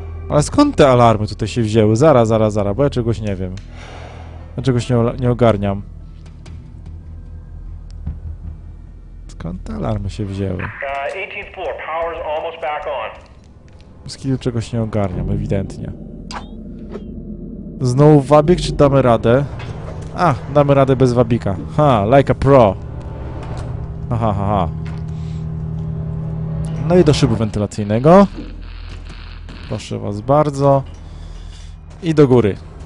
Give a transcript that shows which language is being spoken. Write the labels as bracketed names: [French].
[Polish] Ale skąd te alarmy tutaj się wzięły? Zaraz, bo ja czegoś nie wiem. Ja czegoś nie ogarniam. Skąd te alarmy się wzięły? [English] 18th floor, power's almost back on. [Polish] Skąd czegoś nie ogarniam, ewidentnie. Znowu wabik, czy damy radę? A, damy radę bez wabika. Ha, like a pro. Aha. No i do szybu wentylacyjnego. Proszę was bardzo. I do góry.